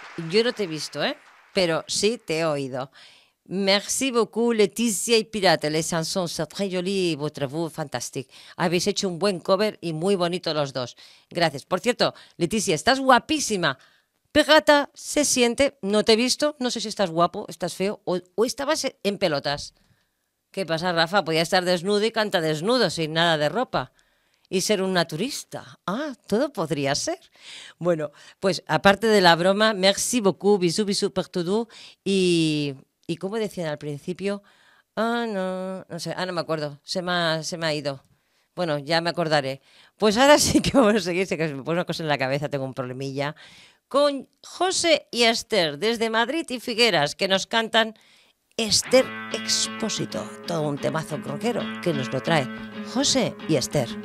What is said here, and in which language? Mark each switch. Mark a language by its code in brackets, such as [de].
[es] Yo no te he visto, pero sí te he oído. [fr] Merci beaucoup, Laetitia y Pirate. Les chansons sont très jolies y votre voix fantastique. [es] Habéis hecho un buen cover y muy bonito los dos. Gracias. Por cierto, Laetitia, estás guapísima. Pirata, se siente. No te he visto. No sé si estás guapo, estás feo o estabas en pelotas. ¿Qué pasa, Rafa? Podía estar desnudo y canta desnudo, sin nada de ropa. Y ser un naturista. Ah, todo podría ser. Bueno, pues aparte de la broma, [fr] merci beaucoup, bisous, bisous pour tout doux. [es] Y como decían al principio, no me acuerdo, se me ha ido. Bueno, ya me acordaré. Pues ahora sí que vamos a seguir, sé que se me pone una cosa en la cabeza, tengo un problemilla. Con José y Esther, desde Madrid y Figueras, que nos cantan Esther Expósito, todo un temazo rockero que nos lo trae José y Esther.